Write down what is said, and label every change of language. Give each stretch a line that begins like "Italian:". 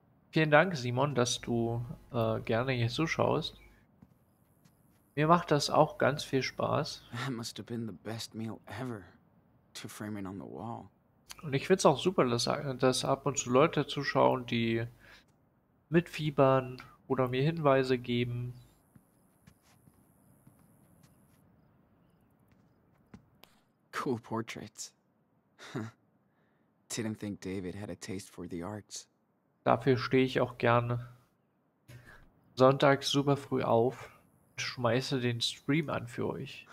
German: Vielen Dank, Simon, dass du gerne hier zuschaust. Mir macht das auch ganz viel Spaß.
English: That must have been the best meal ever to frame it on the wall.
German: Und ich finde es auch super, dass ab und zu Leute zuschauen, die mitfiebern oder mir Hinweise geben.
English: Cool portraits. Didn't think David had a taste for the arts.
German: Dafür stehe ich auch gerne sonntags super früh auf und schmeiße den Stream an für euch.